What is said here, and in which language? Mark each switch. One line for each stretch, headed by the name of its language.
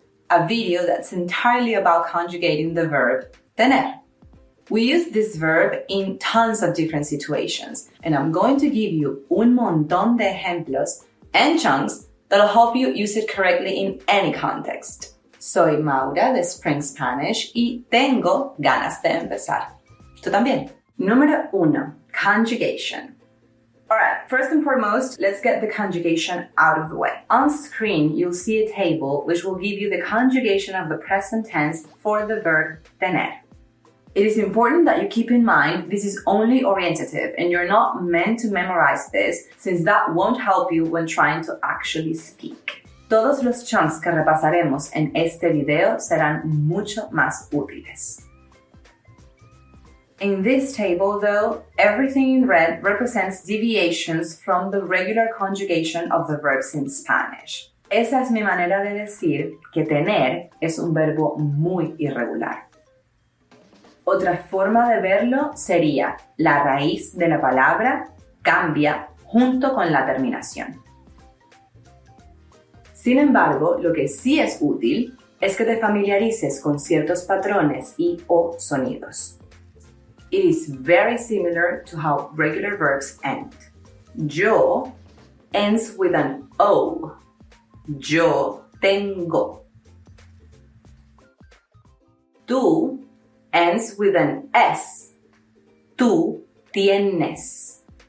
English: A video that's entirely about conjugating the verb tener. We use this verb in tons of different situations, and I'm going to give you
Spanish: un montón de ejemplos
English: and chunks that'll help you use it correctly in any context.
Spanish: Soy Maura de Spring Spanish y tengo ganas de empezar. Tú también. Número uno, conjugation.
English: Alright, first and foremost, let's get the conjugation out of the way. On screen, you'll see a table which will give you the conjugation of the present tense for the verb tener. It is important that you keep in mind this is only orientative and you're not meant to memorize this since that won't help you when trying to actually speak.
Spanish: Todos los chunks que repasaremos en este video serán mucho más útiles.
English: In this table, though, everything in red represents deviations from the regular conjugation of the verbs in Spanish.
Spanish: Esa es mi manera de decir que tener es un verbo muy irregular. Otra forma de verlo sería la raíz de la palabra cambia junto con la terminación. Sin embargo, lo que sí es útil es que te familiarices con ciertos patrones y o sonidos.
English: It is very similar to how regular verbs end. Yo ends with an O. Yo tengo. Tú ends with an S. Tú tienes.